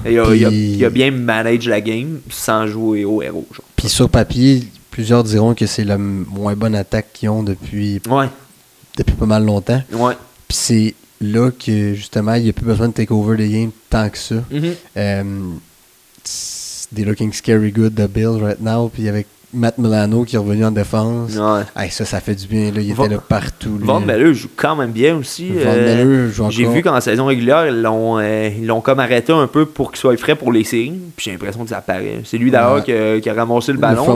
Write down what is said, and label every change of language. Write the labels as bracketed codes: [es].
[fr] Et il a bien managé la game sans jouer au héros, genre. Puis sur papier, plusieurs diront que c'est la moins bonne attaque qu'ils ont depuis, ouais, depuis pas mal longtemps. Ouais. Puis c'est là que, justement, il n'y a plus besoin de [en] take over the game [fr] tant que ça. Mm-hmm. [en] They're looking scary good, the Bills, right now. [fr] Puis avec Matt Milano qui est revenu en défense. Ouais. Hey, ça fait du bien. Là. Il était là partout. Von Miller joue quand même bien aussi. J'ai vu qu'en saison régulière, ils l'ont comme arrêté un peu pour qu'il soit frais pour les séries. Puis j'ai l'impression que ça paraît. C'est lui d'ailleurs qui a ramassé le ballon.